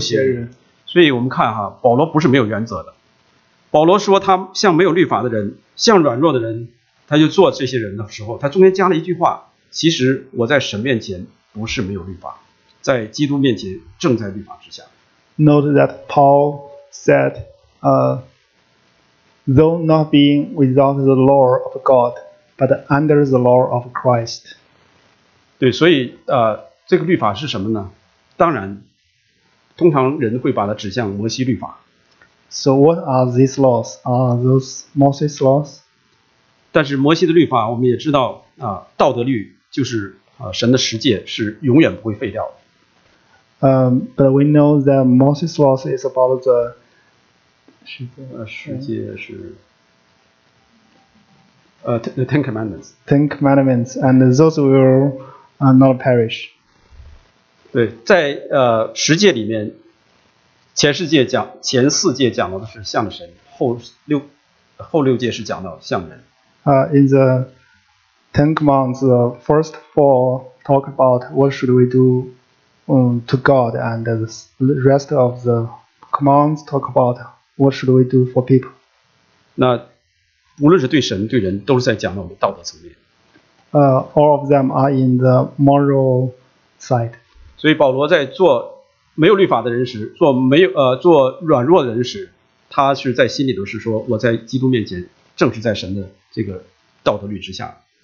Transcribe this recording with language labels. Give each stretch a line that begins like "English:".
Chinese: 些人。所以我们看哈，保罗不是没有原则的。保罗说他像没有律法的人，像软弱的人，他就做这些人的时候，他中间加了一句话，其实我在神面前不是没有律法，在基督面前正在律法之下。
English: Note that Paul said though not being without the law of God but under the law of Christ.
Chinese: 对，所以这个律法是什么呢？当然通常人会把它指向摩西律法。
English: So what are these laws? Are those Moses' laws?
Chinese: 但是摩西的律法我们也知道，道德律就是，神的十诫是永远不会废掉的。
English: But we know that Moses' laws is about the
Chinese: 十诫是
English: the Ten Commandments. Ten Commandments, and those will not perish.
Chinese: 对，在十诫里面前四诫讲到的是像神，后六诫是讲到像人。
English: In the Ten Commandments, the first four talk about what should we do to God, and the rest of the commands talk about what should we do for people.
Chinese: 那无论是对神对人，都是在讲到我们道德层面。
English: All of them are in the moral side.
Chinese: 所以保罗在做没有律法的人时，做软弱的人时，他是在心里头是说，我在基督面前正是在神的这个道德律之下。